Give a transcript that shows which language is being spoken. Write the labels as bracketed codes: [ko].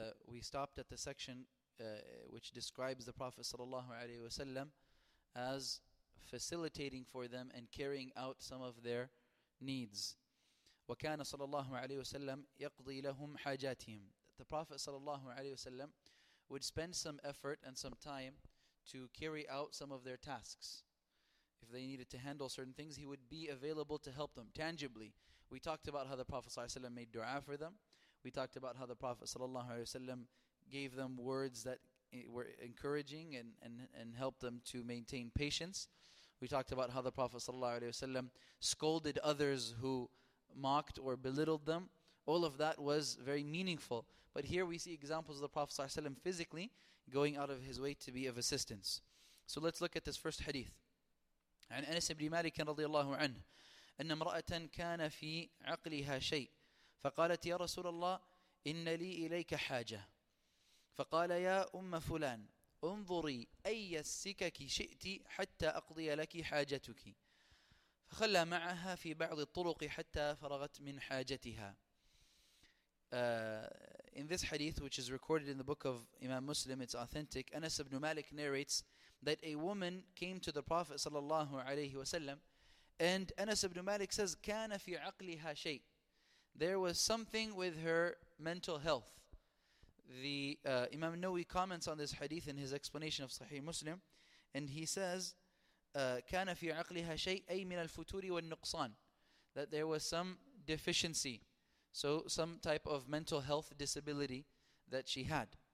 [en] We stopped at the section which describes the Prophet sallallahu alaihi wasallam as facilitating for them and carrying out some of their needs. [ar] وَكَانَ sallallahu alaihi wasallam يَقْضِي لَهُمْ حَاجَاتِهِمْ. [en] The Prophet sallallahu alaihi wasallam would spend some effort and some time to carry out some of their tasks. If they needed to handle certain things, he would be available to help them tangibly. We talked about how the Prophet sallallahu alaihi wasallam made du'a for them. We talked about how the Prophet sallallahu alaihi wasallam gave them words that were encouraging and helped them to maintain patience. We talked about how the Prophet sallallahu alaihi wasallam scolded others who mocked or belittled them. All of that was very meaningful. But here we see examples of the Prophet sallallahu alaihi wasallam physically going out of his way to be of assistance. So let's look at this first hadith. [ar] عن أنس بن مالك رضي الله عنه أن امرأة كان في عقلها شيء فقالت يا رسول الله إن لي إليك حاجة فقال يا أم فلان انظري أي السكك شئت حتى أقضي لك حاجتك فخلى معها في بعض الطرق حتى فرغت من حاجتها. [en] In this hadith, which is recorded in the book of Imam Muslim, it's authentic. Anas ibn Malik narrates that a woman came to the Prophet sallallahu alayhi wasallam, and Anas ibn Malik says [ar] كان في عقلها شيء. [en] There was something with her mental health. The Imam Nawawi comments on this hadith in his explanation of Sahih Muslim, and he says [ar] كان في عقلها شيء أي من الفتور والنقصان, [en] that there was some deficiency, so some type of mental health disability that she had.